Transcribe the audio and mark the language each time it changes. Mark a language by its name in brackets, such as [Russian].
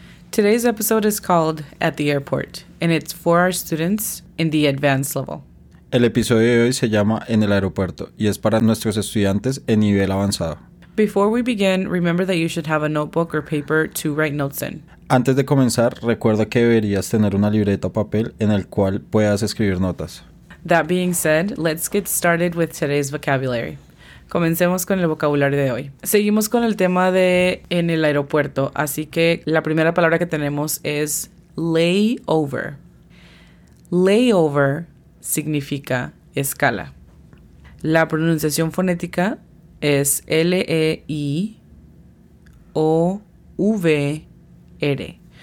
[English] Today's episode is called At the Airport, and it's for our students in the advanced level. [Spanish] El episodio de hoy se llama En el aeropuerto, y es para nuestros estudiantes en nivel avanzado. [English] Before we begin, remember that you should have a notebook or paper to write notes in. [Spanish] Antes de comenzar, recuerda que deberías tener una libreta o papel en el cual puedas escribir notas. [English] That being said, let's get started with today's vocabulary. [Spanish] Comencemos con el vocabulario de hoy. Seguimos con el tema de en el aeropuerto, así que la primera palabra que tenemos es layover. Layover significa escala. La pronunciación fonética es L-E-I-O-V-R.